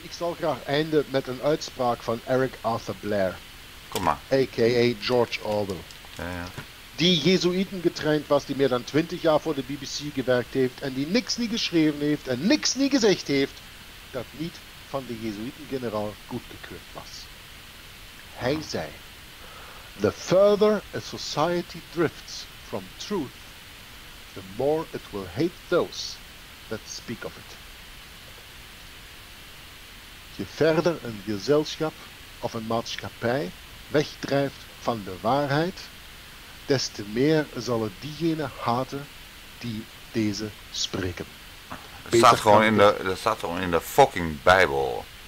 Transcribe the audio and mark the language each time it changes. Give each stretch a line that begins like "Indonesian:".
Dutch: Ik zal graag eindigen met een uitspraak van Eric Arthur Blair. Kom maar.
English: A.K.A. George Orwell.
Dutch: Die Jesuiten getraind was, die meer dan 20 jaar voor de BBC gewerkt heeft en die niks nie geschreven heeft en niks nie gezegd heeft, dat niet van de Jesuiten-generaal goedgekeurd was. Hij zei,
English: the further a society drifts from truth, the more it will hate those that speak of it.
Dutch: Je verder een gezelschap of een maatschappij wegdrijft van de waarheid, des te meer zal het diegenen haten die deze spreken. Dat staat gewoon in de fucking Bijbel.